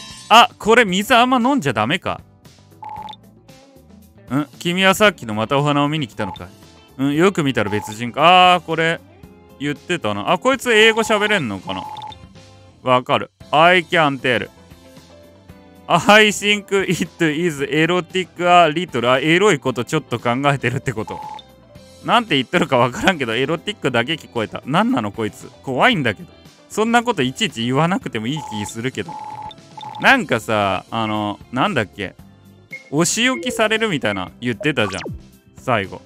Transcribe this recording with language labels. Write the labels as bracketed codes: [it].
[ja] あ、これ水あんま飲んじゃダメか。うん、君はさっきのまたお花を見に来たのか。うん、よく見たら別人か。あー、これ言ってたな。あ、こいつ英語喋れんのかな。わかる。 [en] I can tell. I think it is erotic a little. [ja] エロいことちょっと考えてるってこと。なんて言ってるかわからんけど、エロティックだけ聞こえた。なんなのこいつ。怖いんだけど。そんなこといちいち言わなくてもいい気するけど。なんかさ、なんだっけ。お仕置きされるみたいな言ってたじゃん。最後。